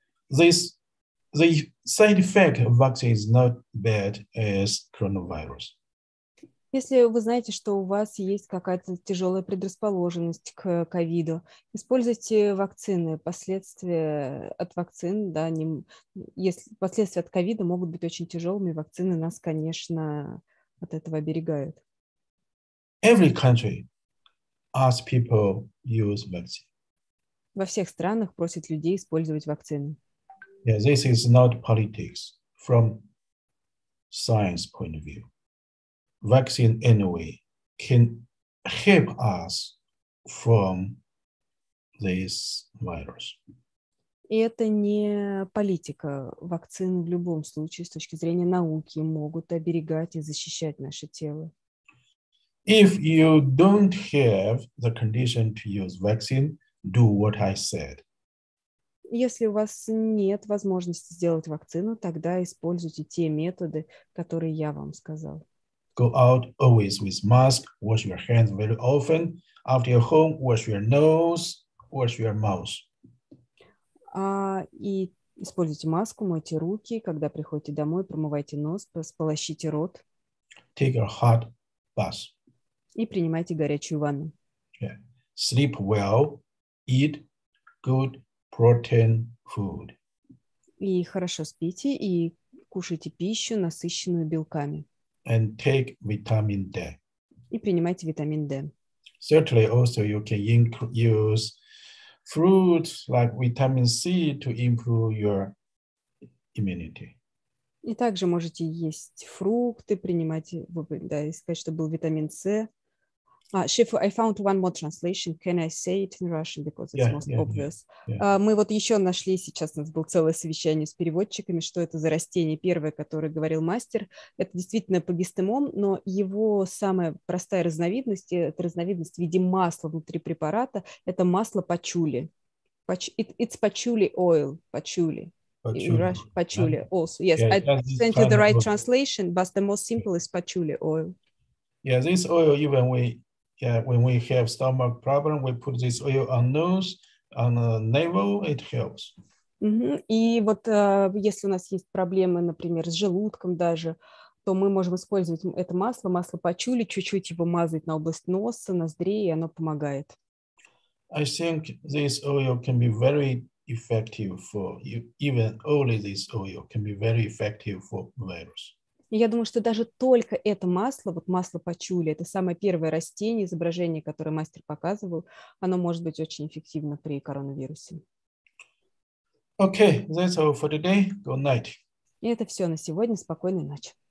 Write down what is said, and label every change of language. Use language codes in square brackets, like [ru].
[en] The side effect of vaccine is not bad as coronavirus. [ru] Если вы знаете, что у вас есть какая-то тяжелая предрасположенность к ковиду, используйте вакцины. Последствия от вакцин, да, не, если последствия от ковида могут быть очень тяжелыми, вакцины нас, конечно, от этого оберегают. [en] Every country asks people use vaccine. [ru] Во всех странах просят людей использовать вакцины. [en] Yeah, this is not politics from science point of view. Vaccine anyway can help us from this virus. [ru] И это не политика. Вакцины в любом случае, с точки зрения науки, могут оберегать и защищать наше тело. [en] If you don't have the condition to use vaccine, do what I said. [ru] Если у вас нет возможности сделать вакцину, тогда используйте те методы, которые я вам сказал. [en] Go out always with mask, wash your hands very often. After you're home, wash your nose, wash your mouth. [ru] И используйте маску, мойте руки, когда приходите домой, промывайте нос, сполощите рот. [en] Take a hot bath. [ru] И принимайте горячую ванну. [en] Yeah. Sleep well, eat good protein food. [ru] И хорошо спите и кушайте пищу, насыщенную белками. [en] And take vitamin D. [ru] И принимайте витамин D. [en] Certainly also you can use fruits like vitamin C to improve your immunity. [ru] И также можете есть фрукты, принимать, да, и сказать, что был витамин С. Шефу, [en] I found one more translation. Can I say it in Russian because it's most obvious? [ru] Мы вот еще нашли сейчас, у нас было целое совещание с переводчиками, что это за растение первое, которое говорил мастер. Это действительно погистемон, но его самая простая разновидность, это разновидность в виде масла внутри препарата, это масло пачули. [en] It's пачули oil, пачули. Пачули also. Yes, I sent you the right translation, but the most simple is пачули oil. Yeah, this oil, even when we have stomach problem, we put this oil on nose, on the navel, it helps. Mm-hmm. [ru] И вот если у нас есть проблемы, например, с желудком даже, то мы можем использовать это масло, масло пачули, чуть-чуть его мазать на область носа, ноздрей, и оно помогает. [en] I think this oil can be very effective for you. Even only this oil can be very effective for virus. [ru] Я думаю, что даже только это масло, вот масло пачули, это самое первое растение, изображение, которое мастер показывал, оно может быть очень эффективно при коронавирусе. [en] Okay, that's all for today. Good night. [ru] И это все на сегодня. Спокойной ночи.